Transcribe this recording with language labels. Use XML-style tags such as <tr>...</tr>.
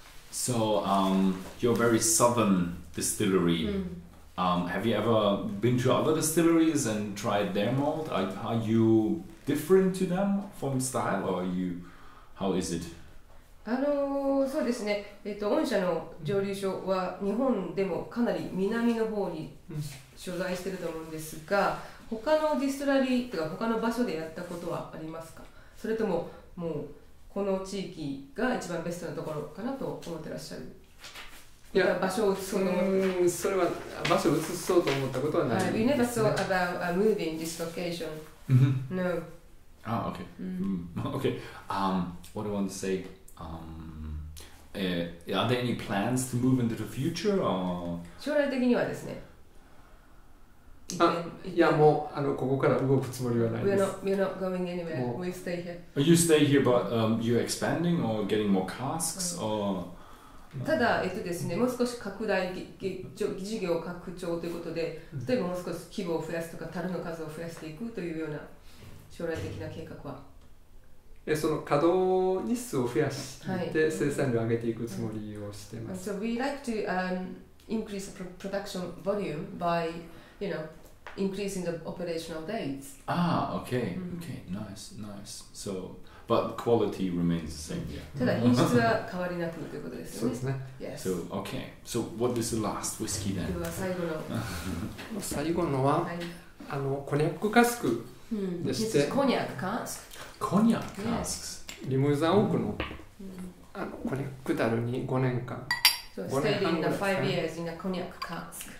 <en>So, you're a very southern distillery. Have you ever been to other distilleries and tried their malt? Are you different to them from style, or how is it?</en> <ja>そうですね。御社の蒸留所は日本でもかなり南の方に所在していると思うんですが、他のディストラリーとか他の場所でやったことはありますか？それとももうこの地域が一番ベストなところかなと思ってらっしゃる？いや場所を移そうと思って、それは場所を移そうと思ったことはないです、ね。</ja> <en>We never thought about moving this location. No. Ah, okay. Okay. What I want to say. Are there any plans to move into the future or?</en> <ja>将来的にはですね。いやもうここから動くつもりはないです。</ja> <en>We're not going anywhere. We stay here. You stay here, but you're expanding or getting more casks or?</en> <ja>ただ、ですね、もう少し拡大事業拡張ということで、例えばもう少し規模を増やすとか、樽の数を増やしていくというような将来的な計画は。その稼働日数を増やして、生産量を上げていくつもりをしてます。はい、</ja> <en>so we like to increase the production volume by, you know, increasing the operational days. Ah, okay, okay, nice, nice. So... But quality remains the same, yeah.</en> <ja>ただ品質は変わりなくということですよね。そうですね。</ja> <en>Yes. So, okay. So, what is the last whiskey then?</en> <ja>今日は最後の。最後のは、はい、コニャックカスクでして。コニャックカスク。コニャックカスク。リムザンオークの、コニャックダルに5年間。</ja> <en>So, stayed in the 5 years in a cognac cask.</en>